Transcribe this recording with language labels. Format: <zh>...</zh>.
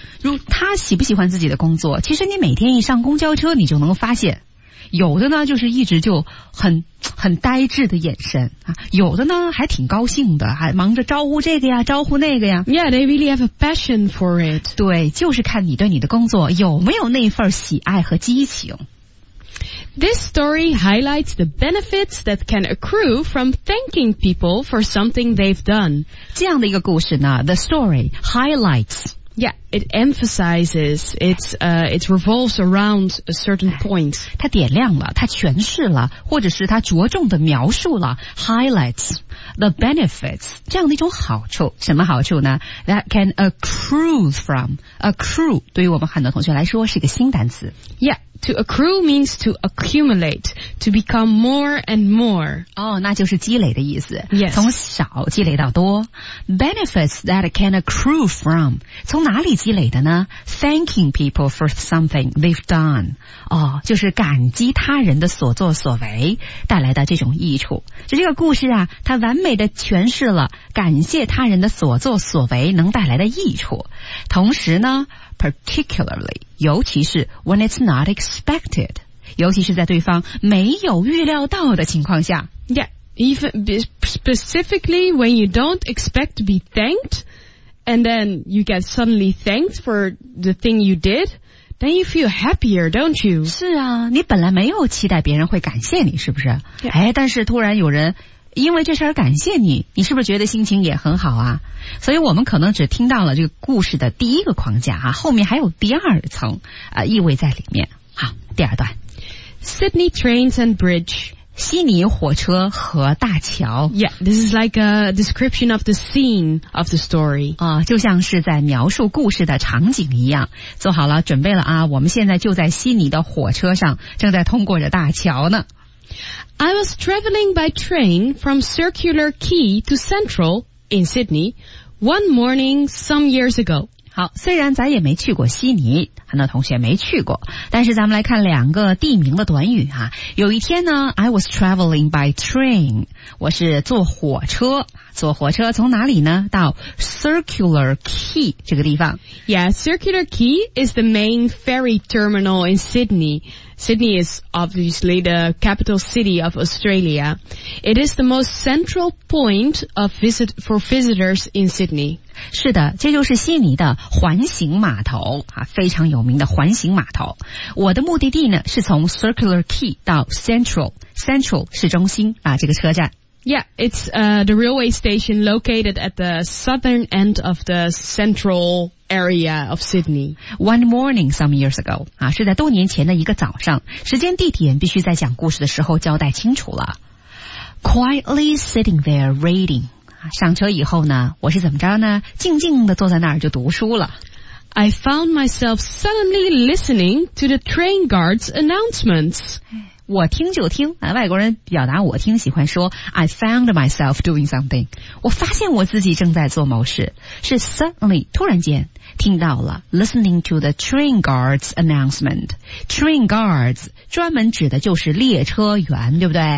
<zh>如他喜不喜欢自己的工作？其实你每天一上公交车，你就能发现，有的呢就是一直就很呆滞的眼神啊，有的呢还挺高兴的，还忙着招呼这个呀，招呼那个呀。</zh> <en>Yeah, they really have a passion for it.</en> <zh>对，就是看你对你的工作有没有那份喜爱和激情。</zh> <en>This story highlights the benefits that can accrue from thanking people for something they've done.</en> <zh>这样的一个故事呢</zh> <en>the story highlights. Yeah, it emphasizes, it revolves around a certain point.</en> <zh>它点亮了，它诠释了，或者是它着重的描述了</zh> <en>highlights the benefits,</en> <zh>这样的一种好处，什么好处呢</zh> <en>that can accrue from, accrue</en> <zh>对于我们很多同学来说是一个新单词。</zh> <en>Yeah. To accrue means to accumulate, to become more and more.</en> <zh>哦、oh, 那就是积累的意思。</zh> <en>Yes.</en> <zh>从少积累到多。</zh> <en>Benefits that can accrue from.</en> <zh>从哪里积累的呢</zh> <en>?Thanking people for something they've done.</en> <zh>哦、oh, 就是感激他人的所作所为带来的这种益处。就这个故事啊它完美的诠释了感谢他人的所作所为能带来的益处。同时呢</zh> <en>Particularly,</en> <zh>尤其是</zh> <en>when it's not expected,</en> <zh>尤其是在对方没有预料到的情况下。</zh> <en>Yeah, even specifically when you don't expect to be thanked, and then you get suddenly thanked for the thing you did, then you feel happier, don't you?</en> <zh>是啊，你本来没有期待别人会感谢你，是不是？</zh> <en>Yeah.</en> <zh>哎，但是突然有人因为这事儿感谢你，你是不是觉得心情也很好啊？所以我们可能只听到了这个故事的第一个框架啊，后面还有第二层啊、意味在里面。好，第二段。</zh> <en>Sydney Trains and Bridge.</en> <zh>悉尼火车和大桥。</zh> <en>Yeah, this is like a description of the scene of the story.</en> <zh>啊、就像是在描述故事的场景一样。做好了，准备了啊，我们现在就在悉尼的火车上，正在通过着大桥呢。</zh> <en>I was traveling by train from Circular Quay to Central in Sydney one morning some years ago.</en> <zh>好，虽然咱也没去过悉尼，很多同学没去过，但是咱们来看两个地名的短语啊。有一天呢 ，</zh> <en>I was traveling by train，</en> <zh>我是坐火车，坐火车从哪里呢？到 Circular Quay 这个地方。</zh> <en>Yeah, Circular Quay is the main ferry terminal in Sydney. Sydney is obviously the capital city of Australia. It is the most central point of visit for visitors in Sydney.</en> <zh>是的，这就是悉尼的环形码头啊，非常有名的环形码头。我的目的地呢是从 Circular Quay 到 Central. Central 是中心啊，这个车站。</zh> <en>Yeah, it's the railway station located at the southern end of the central area of Sydney. One morning some years ago,</en> <zh>啊，是在多年前的一个早上，时间地点必须在讲故事的时候交代清楚了。</zh> <en>Quietly sitting there reading,</en> <zh>上车以后呢，我是怎么着呢？静静地坐在那儿就读书了。</zh> <en>I found myself suddenly listening to the train guard's announcements.</en> <zh>我听就听、啊、外国人表达我听喜欢说</zh> <en>I found myself doing something</en> <zh>我发现我自己正在做某事是 suddenly 突然间听到了</zh> <en>listening to the train guard's announcement train guards</en> <zh>专门指的就是列车员对不对</zh>